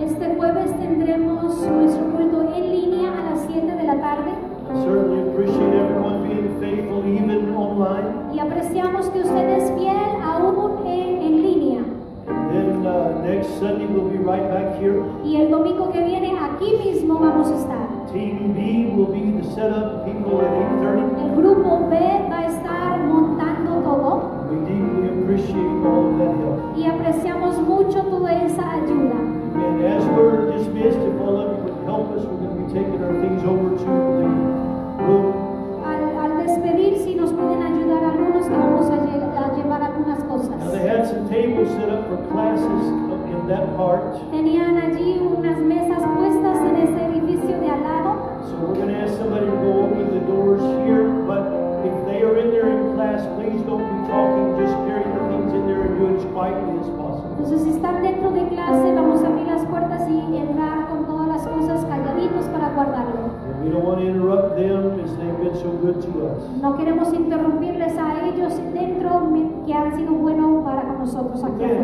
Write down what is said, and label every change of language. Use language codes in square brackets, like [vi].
[es] Este jueves tendremos nuestro culto en línea a las 7 de la tarde. [en] Certainly appreciate everyone being faithful, even online. [es] Y apreciamos que usted es fiel aún en línea. [en] Then next Sunday we'll be right back here. [es] Y el domingo que viene aquí mismo vamos a estar. [en] Team B will be the setup people at 8:30. [es] El grupo B va a estar montando todo. [en] We deeply appreciate all of that help. [es] Y apreciamos mucho toda esa ayuda. [en] And as we're dismissed, if all of you would help us, we're going to be taking our things over to the room. [es] Al despedir, si nos pueden ayudar algunos, que vamos a llevar algunas cosas. [en] Now they had some tables set up for classes in that part. [es] Tenían allí unas mesas puestas en ese edificio de al lado. [en] So we're going to ask somebody to go open the doors here, but if they are in there in class, please don't be talking, just carry the things in there and do it as quietly as possible. [es] Entonces, si están dentro de clase, vamos a abrir las puertas y entrar con todas las cosas calladitos para guardarlo. [en] And we don't want to interrupt them as they've been so good to us. [es] No queremos interrumpirles a ellos dentro que han sido bueno para con nosotros aquí.